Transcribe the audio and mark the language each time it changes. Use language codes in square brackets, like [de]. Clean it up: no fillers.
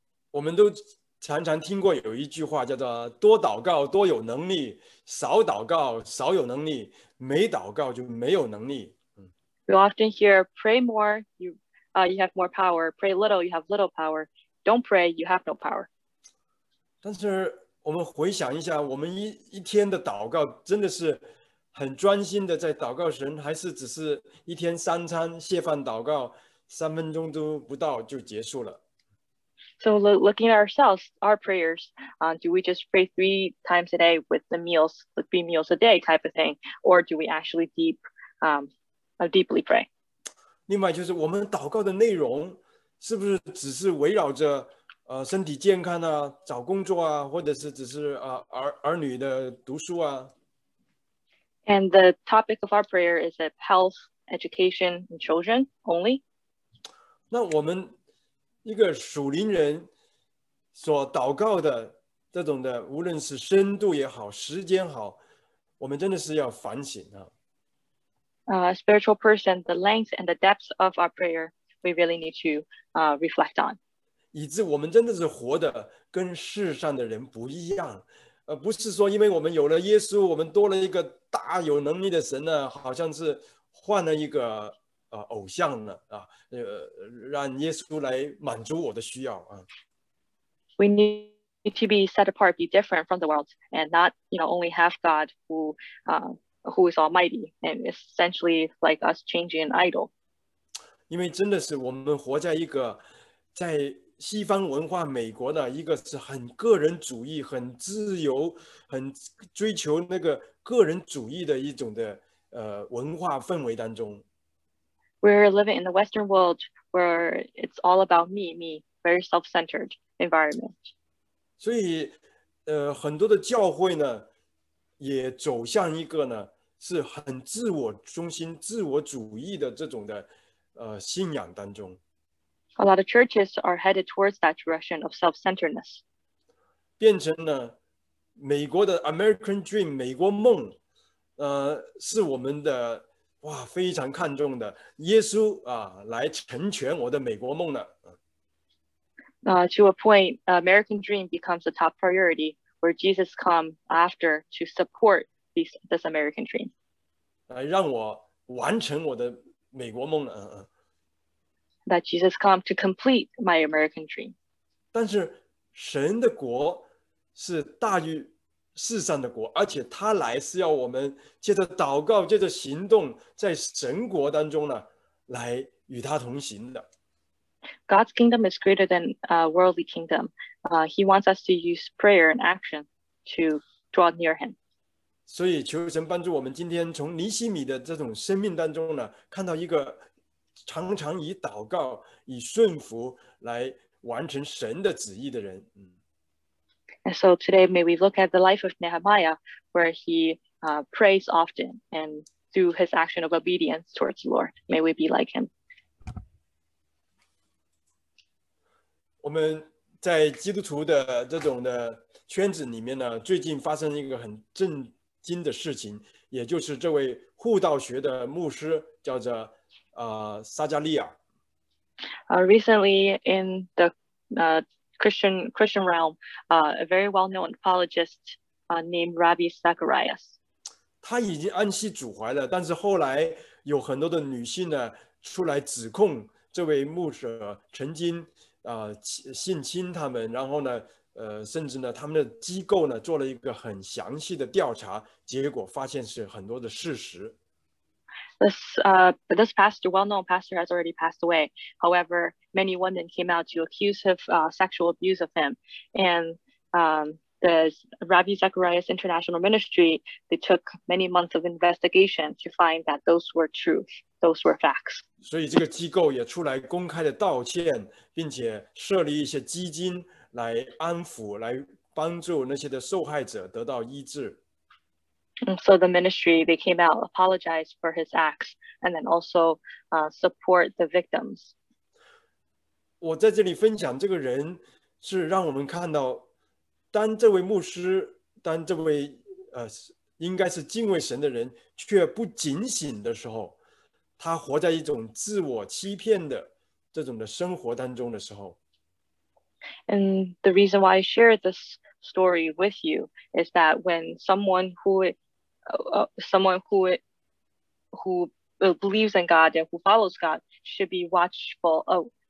[zh] 我们都常常听过有一句话，叫做"多祷告多有能力，少祷告少有能力，没祷告就没有能力。" [en] We often hear, "Pray more, you have more power. Pray little, you have little power. Don't pray, you have no power." [zh] 但是我们回想一下，我们一天的祷告真的是很专心的在祷告神，还是只是一天三餐谢饭祷告，3分钟都不到就结束了？ [en] So looking at ourselves, our prayers, do we just pray three times a day with the meals, the three meals a day type of thing, or do we actually deeply pray? [zh] 另外就是我们祷告的内容，是不是只是围绕着身体健康啊、找工作啊，或者是只是儿女的读书啊？ [en] And the topic of our prayer is that health, education, and children only. [zh] 那我们一个属灵人所祷告的这种的，无论是深度也好，时间好，我们真的是要反省啊。 [en] A spiritual person, the length and the depth of our prayer, we really need to reflect on. [zh] 以致我们真的是活得跟世上的人不一样，不是说因为我们有了耶稣，我们多了一个大有能力的神呢，好像是换了一个偶像呢，让耶稣来满足我的需要啊。 [en] We need to be set apart, be different from the world, and not, only have God who is almighty and essentially like us changing an idol. [zh] 因为真的是我们活在一个在西方文化，美国的一个是很个人主义、很自由、很追求那个个人主义的一种的文化氛围当中。 [en] We're living in the Western world where it's all about me, very self-centered environment. [zh] 所以，很多的教会呢，也走向一个呢，是很自我中心、自我主义的这种的信仰当中。 [en] A lot of churches are headed towards that direction of self-centeredness. [zh] 变成了美国的 American Dream 美国梦，是我们的哇非常看重的耶稣来成全我的美国梦呢。 [en] To a point, American dream becomes a top priority where Jesus come after to support this American dream. [zh] 让我完成我的美国梦了。 [en] That Jesus come to complete my American dream. [zh] 但是神的国是大于世上的国，而且他来是要我们借着祷告、借着行动，在神国当中呢，来与他同行的。 [en] God's kingdom is greater than worldly kingdom. He wants us to use prayer and action to draw near him. [zh] 所以求神帮助我们今天从尼希米的这种生命当中呢，看到一个常常以祷告、以顺服来完成神的旨意的人。 [en] And so today, may we look at the life of Nehemiah, where he prays often and through his action of obedience towards the Lord. May we be like him. [zh] 我们在基督徒的这种的圈子里面呢，最近发生一个很震惊的事情，也就是这位护道学的牧师叫做撒加利亚。 [en] Recently in the Christian realm, a very well-known apologist named Rabbi Zacharias. [zh] 他已经安息主怀了，但是后来有很多的女性呢出来指控这位牧者曾经性侵他们，然后呢甚至呢他们的机构呢做了一个很详细的调查，结果发现是很多的事实。 [en] This pastor, well-known pastor, has already passed away. However, many women came out to accuse of sexual abuse of him. And the Rabbi Zacharias International Ministry, they took many months of investigation to find that those were true, those were facts. [zh] 所以这个机构也出来公开的道歉，并且设立一些基金来安抚，来帮助那些的受害者得到医治。 [en] So the ministry, they came out, apologized for his acts, and then also support the victims. [zh] 我在这里分享这个人，是让我们看到，当这位牧师，当这位应该是敬畏神的人，却不警醒的时候，他活在一种自我欺骗的这种的生活当中的时候。 [en] And the reason why I share this story with you is that when someone who believes in God and who follows God should be watchful.